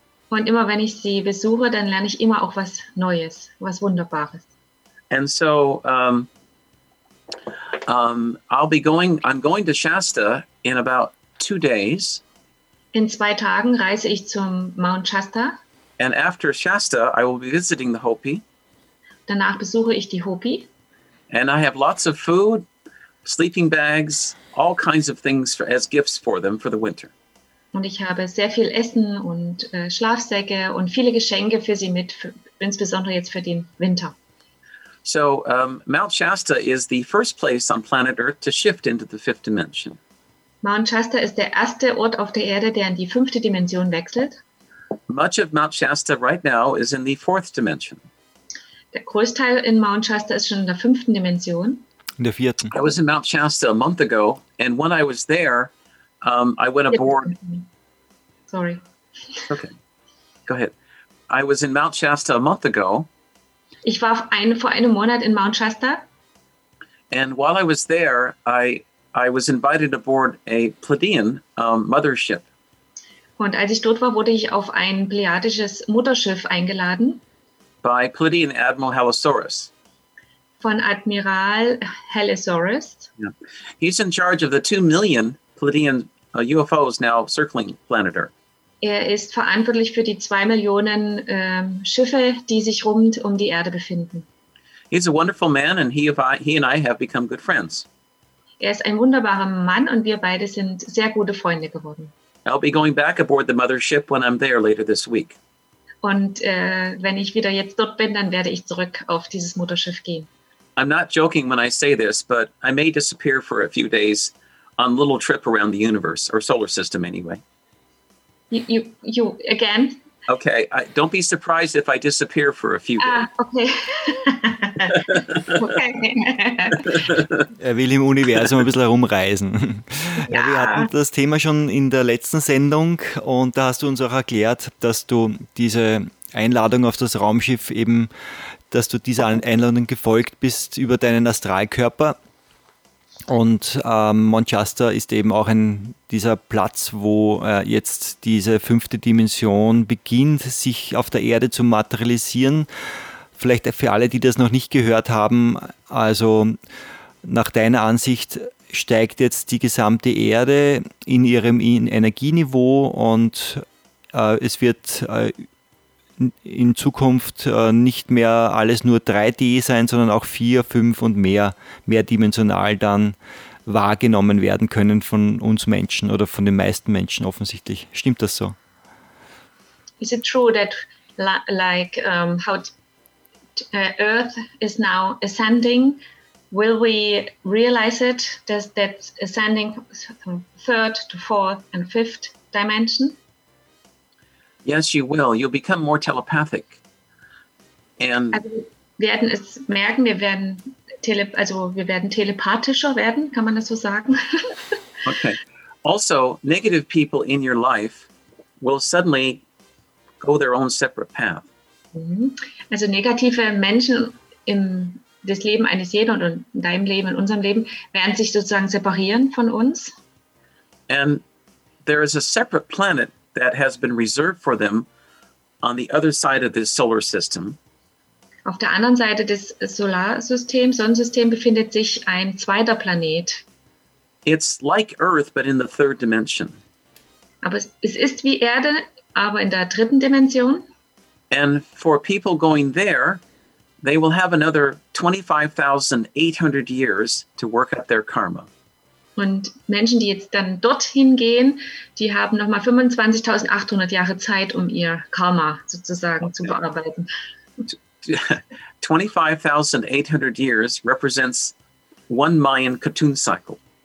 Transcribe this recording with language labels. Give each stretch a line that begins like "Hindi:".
German: Und immer wenn ich sie besuche, dann lerne ich immer auch was Neues, was Wunderbares.
English: And so I'm going to Shasta in about 2 days.
German: In 2 Tagen reise ich zum Mount Shasta.
English: And after Shasta, I will be visiting the Hopi.
German: Danach besuche ich die Hopi.
English: And I have lots of food, sleeping bags, all kinds of things as gifts for them for the winter.
German: Und ich habe sehr viel Essen und Schlafsäcke und viele Geschenke für sie mit, insbesondere jetzt für den Winter.
English: So Mount Shasta is the first place on planet Earth to shift into the fifth dimension.
German: Mount Shasta ist der erste Ort auf der Erde, der in die fünfte Dimension wechselt.
English: Much of Mount Shasta right now is in the fourth dimension.
German: Der Großteil in Mount Shasta ist schon in der fünften Dimension. In der vierten.
English: I was in Mount Shasta a month ago, and when I was there, I went aboard. Sorry. Okay. Go ahead. I was in Mount Shasta a month ago.
German: Ich war vor einem Monat in Mount Shasta.
English: And while I was there, I was invited aboard a Pleiadian mothership.
German: Und als ich dort war, wurde ich auf ein pleiadisches Mutterschiff eingeladen.
English: By Pleiadian Admiral Halosaurus.
German: Von Admiral Halosaurus.
English: Yeah. He's in charge of the 2 million Pleiadian UFOs now circling planet Earth.
German: Er ist verantwortlich für die 2 Millionen Schiffe, die sich rund um die Erde befinden.
English: He's a wonderful man and he and I have become good friends.
German: Er ist ein wunderbarer Mann und wir beide sind sehr gute Freunde geworden.
English: I'll be going back aboard the mothership when I'm there later this week.
German: Und wenn ich wieder jetzt dort bin, dann werde ich zurück auf dieses Mutterschiff gehen.
English: I'm not joking when I say this, but I may disappear for a few days on a little trip around the universe, or solar system anyway. You again? Okay, don't be surprised if I disappear for a few days. Okay.
German: Er will im Universum ein bisschen herumreisen. Ja. Ja, wir hatten das Thema schon in der letzten Sendung und da hast du uns auch erklärt, dass du diese Einladung auf das Raumschiff eben, dass du dieser Einladung gefolgt bist über deinen Astralkörper. Und Mount Shasta ist eben auch ein dieser Platz, wo jetzt diese fünfte Dimension beginnt, sich auf der Erde zu materialisieren. Vielleicht für alle, die das noch nicht gehört haben, also nach deiner Ansicht steigt jetzt die gesamte Erde in ihrem Energieniveau und es wird in Zukunft nicht mehr alles nur 3D sein, sondern auch 4, 5 und mehrdimensional dann wahrgenommen werden können von uns Menschen oder von den meisten Menschen offensichtlich. Stimmt das so?
English: Is it true that how Earth is now ascending, will we realize it, that ascending from third to fourth and fifth dimension? Yes, you will. You'll become more telepathic. And
German: also, werden es merken, wir werden telepathischer werden, kann man das so sagen?
English: Okay. Also, negative people in your life will suddenly go their own separate path.
German: Also negative Menschen in das Leben eines jeden oder in deinem Leben, in unserem Leben, werden sich sozusagen separieren von uns.
English: And there is a separate planet that has been reserved for them on the other side of this solar system.
German: Auf der anderen Seite des Solarsystems, Sonnensystem, befindet sich ein zweiter Planet.
English: It's like Earth, but in the third dimension.
German: Aber es ist wie Erde, aber in der dritten Dimension.
English: And for people going there, they will have another 25,800 years to work up their karma.
German: Und Menschen, die jetzt dann dorthin gehen, die haben nochmal 25.800 Jahre Zeit, um ihr Karma sozusagen zu bearbeiten.
English: 25.800 years represents one Mayan Cartoon cycle.